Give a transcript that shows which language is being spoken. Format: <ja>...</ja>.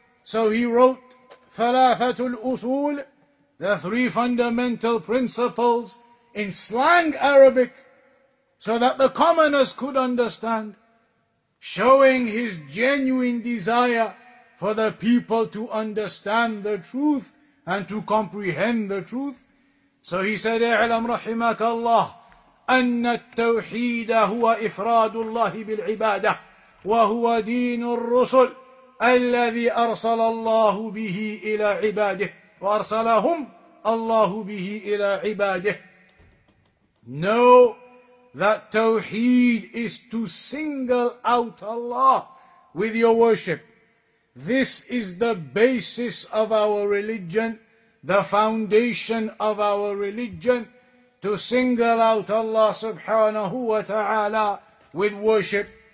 <en>So he wrote Thalathatul Usul, the three fundamental principles, in slang Arabic, so that the commoners could understand, showing his genuine desire for the people to understand the truth and to comprehend the truth. So he said,</en> <ar>اعلم رحمك الله أن التوحيد هو إفراد الله بالعبادة وهو دين الرسل الذي أرسل الله به إلى عباده وأرسلهم الله به إلى عباده.</ar> <en>Know that Tawheed is to single out Allah with your worship. This is the basis of our religion, the foundation of our religion, to single out Allah subhanahu wa ta'ala with worship.</en>